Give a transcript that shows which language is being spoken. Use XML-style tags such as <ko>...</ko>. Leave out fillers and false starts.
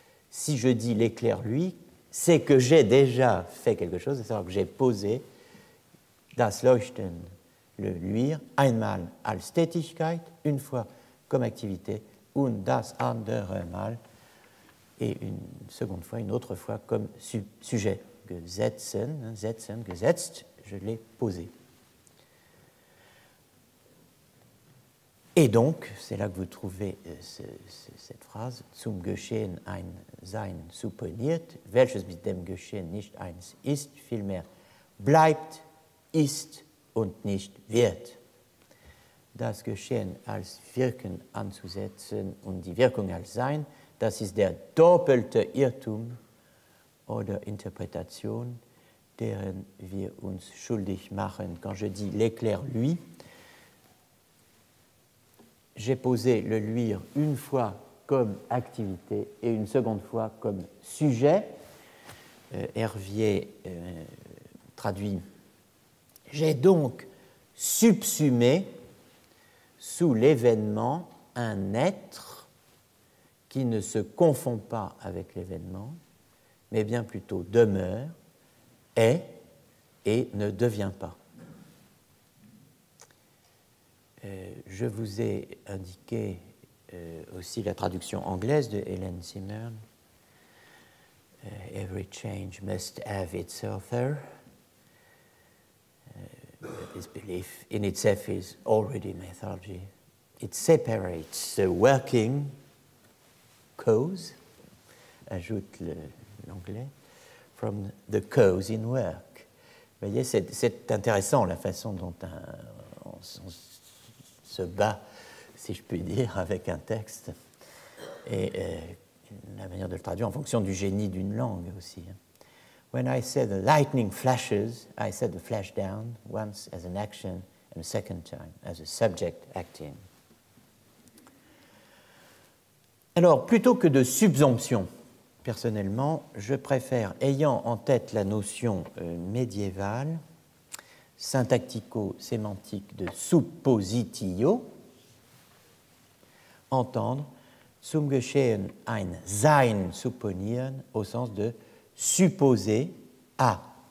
<fr>si je dis l'éclaire-lui, c'est que j'ai déjà fait quelque chose, c'est-à-dire que j'ai posé das Leuchten, le luire,</fr> <de>einmal als Tätigkeit,</de> <fr>une fois comme activité,</fr> <de>und das andere Mal,</de> <fr>et une seconde fois, une autre fois comme sujet,</fr> <de>gesetzen, setzen, gesetzt,</de> <fr>je l'ai posé. Et donc, c'est là que vous trouvez cette phrase,</fr> <de>zum Geschehen ein Sein supponiert, welches mit dem Geschehen nicht eins ist, vielmehr bleibt, ist und nicht wird. Das Geschehen als Wirken anzusetzen und die Wirkung als Sein, das ist der doppelte Irrtum oder Interpretation, deren wir uns schuldig machen.</de> <fr>Quand je dis l'éclair lui, j'ai posé le luire une fois comme activité et une seconde fois comme sujet. Hervier traduit « J'ai donc subsumé sous l'événement un être qui ne se confond pas avec l'événement, mais bien plutôt demeure, est et ne devient pas. » Je vous ai indiqué aussi la traduction anglaise de Helen Zimmern.</fr> <en>Every change must have its author. This belief in itself is already mythology. It separates the working cause,</en> <fr>ajoute l'anglais,</fr> <en>from the cause in work.</en> <fr>Vous voyez, c'est intéressant la façon dont on se bat, si je puis dire, avec un texte et la manière de le traduire en fonction du génie d'une langue aussi.</fr> <en>When I say the lightning flashes, I say the flash down once as an action and a second time as a subject acting.</en> <fr>Alors, plutôt que de subsomption, personnellement, je préfère, ayant en tête la notion médiévale, syntactico-sémantique de suppositio, entendre</fr> <de>zum Geschehen ein Sein supponieren</de> <fr>au sens de supposer à.</fr>